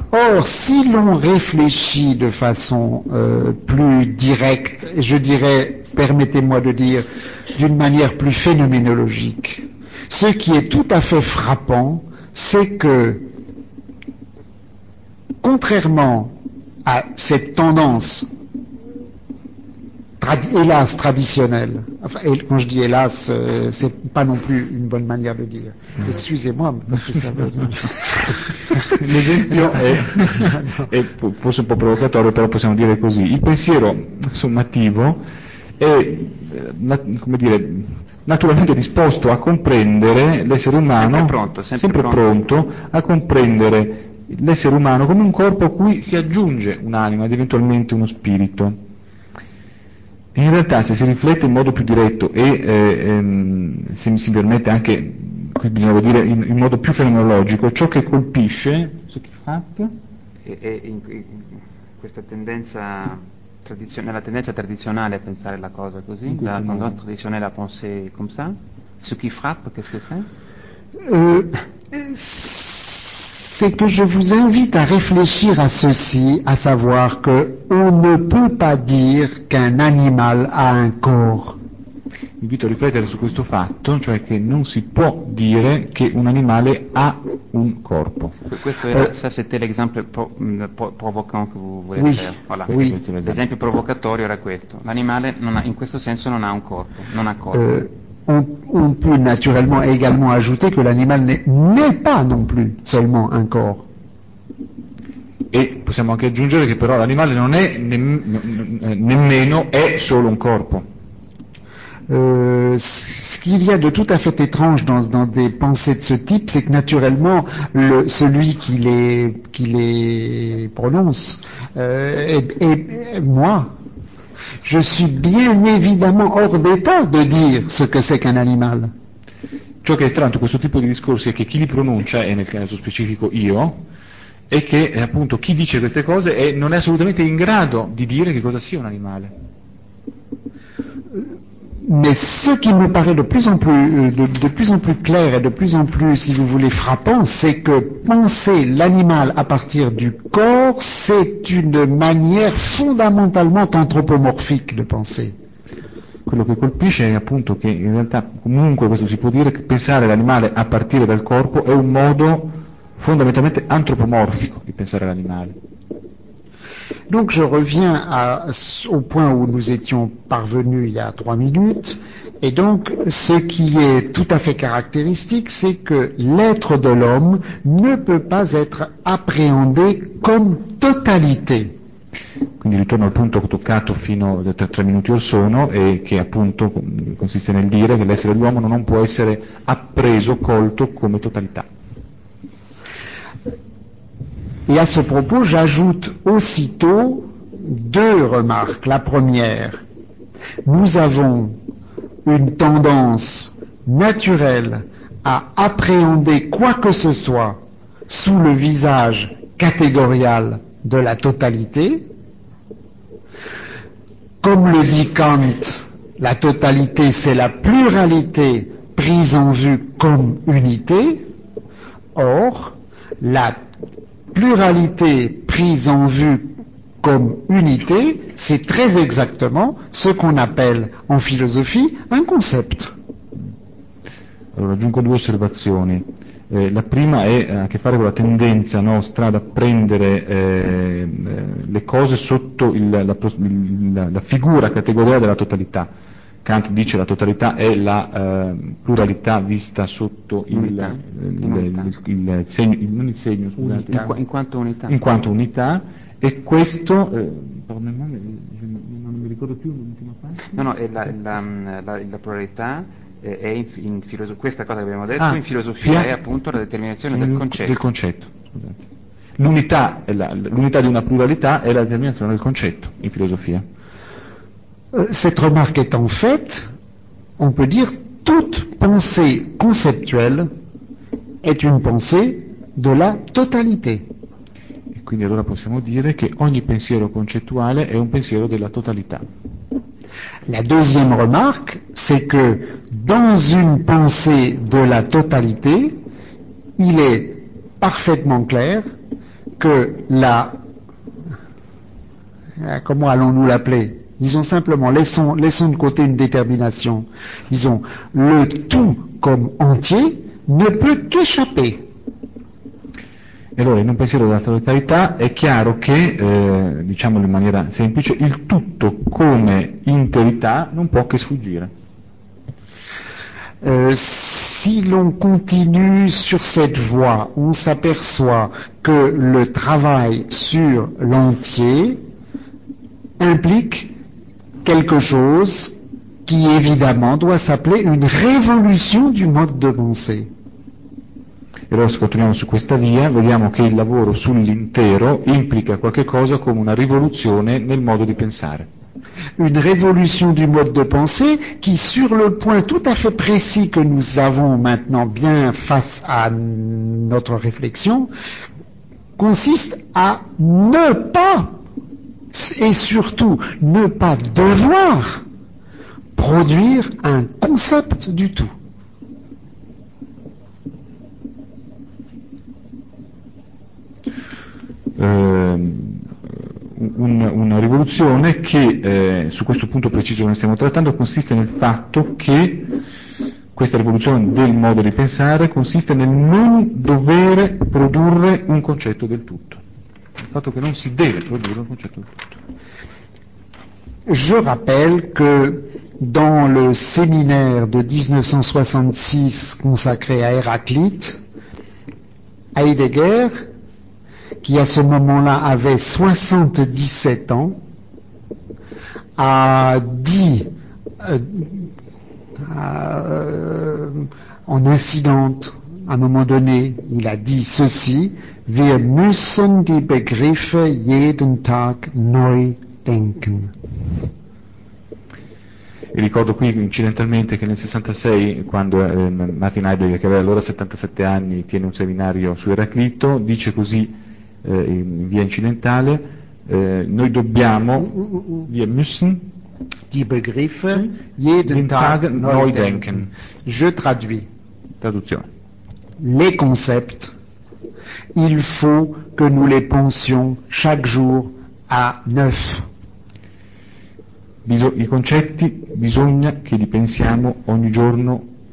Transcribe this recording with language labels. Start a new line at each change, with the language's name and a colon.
French: Or, si l'on réfléchit de façon plus directe, je dirais, permettez-moi de dire, d'une manière plus phénoménologique, ce qui est tout à fait frappant, c'est que, contrairement à cette tendance hélas traditionnelle, enfin, quand je dis hélas, c'est pas non plus une bonne manière de dire. Excusez-moi, parce que ça veut dire.
Italian: L'esempio è forse un po' provocatorio, però possiamo dire così. Il pensiero sommativo è, come dire, naturalmente disposto a comprendere l'essere umano, sempre pronto a comprendere l'essere umano come un corpo a cui si aggiunge un'anima ed eventualmente uno spirito. In realtà, se si riflette in modo più diretto e, se mi si permette anche, qui bisogna dire, in modo più fenomenologico, ciò che colpisce, so che fatto, è questa tendenza, la tendenza tradizionale a pensare la cosa così, la condotta tradizionale a pensare come
French: ça, ce qui frappe, qu'est-ce que c'est? C'est que je vous invite à réfléchir à ceci, à savoir que on ne peut pas dire qu'un animal a un corps.
Italian: Invito a riflettere su questo fatto, cioè che non si può dire che un animale ha un corpo. Questo era,
French: se c'était l'exemple provocant che vous voulez faire. Voilà. Oui.
Italian: L'esempio provocatorio era questo. L'animale non ha, in questo senso non ha un corpo, non ha corpo.
French: On peut naturellement également ajouter que l'animal n'est pas non plus seulement un corps.
Italian: Et possiamo anche aggiungere che però l'animale non è nemmeno è solo un corpo.
French: Ce qu'il y a de tout à fait étrange dans des pensées de ce type, c'est que naturellement celui qui les prononce est moi. Je suis bien évidemment hors d'état de dire ce que c'est qu'un animal.
Italian: Ciò che è strano in questo tipo di discorsi è che chi li pronuncia, e nel caso specifico io, è che appunto chi dice queste cose non è assolutamente in grado di dire che cosa sia un animale.
French: Mais ce qui me paraît de plus en plus clair et de plus en plus, si vous voulez, frappant, c'est que penser l'animal à partir du corps, c'est une manière fondamentalement anthropomorphique de penser.
Italian: Quello che colpisce è appunto che in realtà, comunque questo si può dire, che pensare l'animale a partire dal corpo è un modo fondamentalmente antropomorfico di pensare l'animale.
French: Donc je reviens au point où nous étions parvenus il y a 3 minutes, et donc ce qui est tout à fait caractéristique, c'est que l'être de l'homme ne peut pas être appréhendé comme totalité.
Italian: Quindi ritorno al punto toccato fino a 3 minuti or sono, e che appunto consiste nel dire che l'essere dell'uomo non può essere appreso, colto come totalità.
French: Et à ce propos, j'ajoute aussitôt 2 remarques. La première, nous avons une tendance naturelle à appréhender quoi que ce soit sous le visage catégorial de la totalité. Comme le dit Kant, la totalité, c'est la pluralité prise en vue comme unité. Or, la pluralité prise en vue comme unité, c'est très exactement ce qu'on appelle en philosophie un concept.
Italian: Allora, aggiungo 2 osservazioni. La prima è a che fare con la tendenza nostra ad apprendere le cose sotto la figura categoriale della totalità. Kant dice la totalità è la pluralità vista sotto in quanto unità, e questo non mi ricordo più l'ultima parte. No, è la pluralità è in filosofia, questa cosa che abbiamo detto in filosofia è appunto la determinazione del concetto. L'unità di una pluralità è la determinazione del concetto in filosofia.
French: Cette remarque est en fait, on peut dire, toute pensée conceptuelle est une pensée de la totalité.
Italian: Et quindi allora possiamo dire che ogni pensiero concettuale è un pensiero della totalità.
French: La deuxième remarque, c'est que dans une pensée de la totalité, il est parfaitement clair que comment allons-nous l'appeler ? Disons simplement, laissons de côté une détermination. Disons, le tout comme entier ne peut qu'échapper.
Italian: E allora, in un pensiero della totalità è chiaro che, diciamolo in maniera semplice, il tutto come interità non può che sfuggire.
French: Si l'on continue sur cette voie, on s'aperçoit que le travail sur l'entier implique quelque chose qui évidemment doit s'appeler une révolution du mode de pensée.
Italian: E allora, se continuiamo su questa via, vediamo che il lavoro sull'intero implica qualche cosa come una rivoluzione nel modo di pensare.
French: Une révolution du mode de pensée qui, sur le point tout à fait précis que nous avons maintenant bien face à notre réflexion, consiste à ne pas et surtout ne pas devoir produire un concept du tout.
Italian: una rivoluzione che, su questo punto preciso che stiamo trattando, consiste nel fatto che questa rivoluzione del modo di pensare consiste nel non dovere produrre un concetto del tutto. Il fatto che non si deve produrre un concetto del tutto.
French: Je rappelle que dans le séminaire de 1966 consacré à Héraclite, Heidegger, qui à ce moment-là avait 77 ans, a dit, en incidente, à un moment donné, il a dit ceci:
German: Wir müssen die Begriffe jeden Tag neu denken.
Italian: E ricordo qui incidentalmente che nel 66, quando Martin Heidegger, che aveva allora 77 anni, tiene un seminario su Eraclito, dice così in via incidentale: noi dobbiamo,
German: wir müssen die Begriffe jeden Tag neu denken.
French: Je traduis.
Italian: Traduzione.
French: Les concepts, il faut que nous les pensions chaque jour à neuf.
Italian: I concetti bisogna che li pensiamo ogni giorno